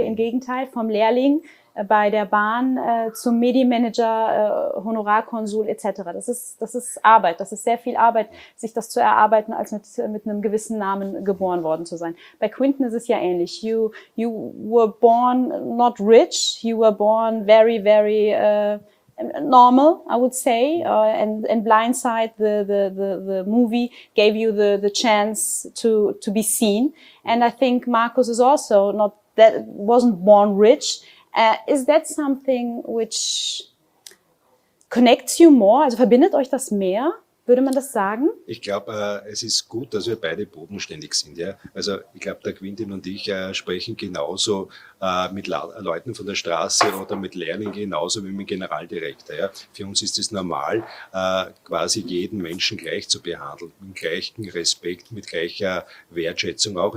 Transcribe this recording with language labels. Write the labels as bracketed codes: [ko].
[de] Im Gegenteil, vom Lehrling bei der Bahn zum Medienmanager, Honorarkonsul etc. Das ist Arbeit. Das ist sehr viel Arbeit, sich das zu erarbeiten, als mit einem gewissen Namen geboren worden zu sein. Bei Quintin ist es ja ähnlich. [en] You were born not rich. You were born very, very normal, I would say, and Blindside, the movie, gave you the chance to be seen. And I think Markus is also not that wasn't born rich. Is that something which connects you more? [de] Also verbindet euch das mehr? Würde man das sagen? Ich glaube, es ist gut, dass wir beide bodenständig sind. Ja? Also ich glaube, der Quintin und ich sprechen genauso mit Leuten von der Straße oder mit Lehrlingen genauso wie mit Generaldirektor. Ja? Für uns ist es normal, quasi jeden Menschen gleich zu behandeln, mit gleichem Respekt, mit gleicher Wertschätzung auch.